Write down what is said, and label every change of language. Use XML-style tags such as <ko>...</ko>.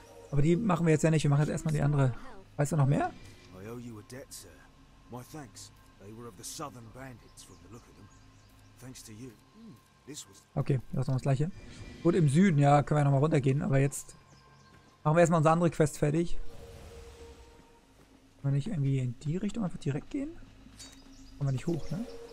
<de>Aber die machen wir jetzt ja nicht, wir machen jetzt erstmal die andere. Weißt du noch mehr?</de> <en>I owe you a debt, sir. My thanks. They were of the Southern Bandits from the look of them. Thanks to you.</en> <de>Okay, das ist noch das gleiche. Gut, im Süden, ja, können wir nochmal runtergehen, aber jetzt machen wir erstmal unsere andere Quest fertig. Können wir nicht irgendwie in die Richtung einfach direkt gehen? Kommen wir nicht hoch, ne?</de>